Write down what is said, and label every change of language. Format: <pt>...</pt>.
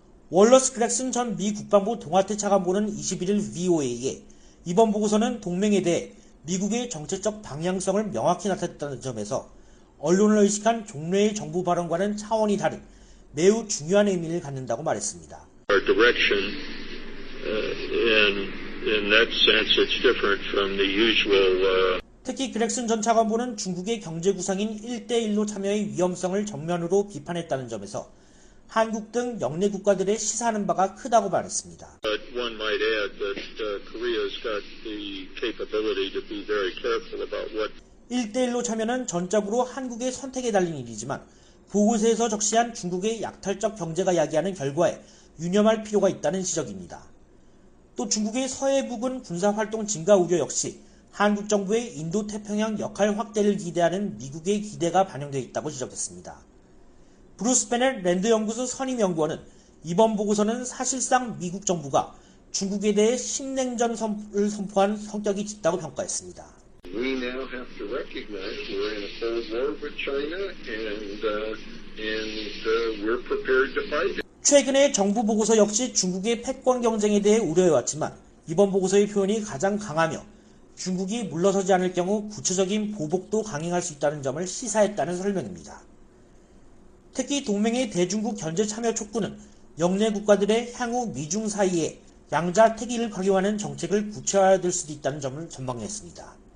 <ko>월러스 그렉슨 전 미 국방부 동아태 차관보는 21일 VOA에 이번 보고서는 동맹에 대해 미국의 정책적 방향성을 명확히 나타냈다는 점에서 언론을 의식한 종래의 정부 발언과는 차원이 다른 매우 중요한 의미를 갖는다고 말했습니다.</ko> <en>Our direction in that sense it's different from the usual</en> <ko>특히 그렉슨 전 차관보는 중국의 경제 구상인 1대1로 참여의 위험성을 정면으로 비판했다는 점에서 한국 등 역내 국가들의 시사하는 바가 크다고 말했습니다.</ko> <en>But one might add that Korea's got the capability to be very careful about what</en> <ko>1대1로 참여는 전적으로 한국의 선택에 달린 일이지만 보고서에서 적시한 중국의 약탈적 경제가 야기하는 결과에 유념할 필요가 있다는 지적입니다. 또 중국의 서해부근 군사활동 증가 우려 역시 한국 정부의 인도태평양 역할 확대를 기대하는 미국의 기대가 반영되어 있다고 지적했습니다. 브루스 베넷 랜드연구소 선임연구원은 이번 보고서는 사실상 미국 정부가 중국에 대해 신냉전 선을 선포한 성격이 짙다고 평가했습니다.</ko> <en>We now have to recognize we're in a cold war with China and we're prepared to fight it.</en> <ko>최근의 정부 보고서 역시 중국의 패권 경쟁에 대해 우려해왔지만 이번 보고서의 표현이 가장 강하며 중국이 물러서지 않을 경우 구체적인 보복도 강행할 수 있다는 점을 시사했다는 설명입니다. 특히 동맹의 대중국 견제 참여 촉구는 역내 국가들의 향후 미중 사이에 양자 태기를 강요하는 정책을 구체화될 수도 있다는 점을 전망했습니다.</ko>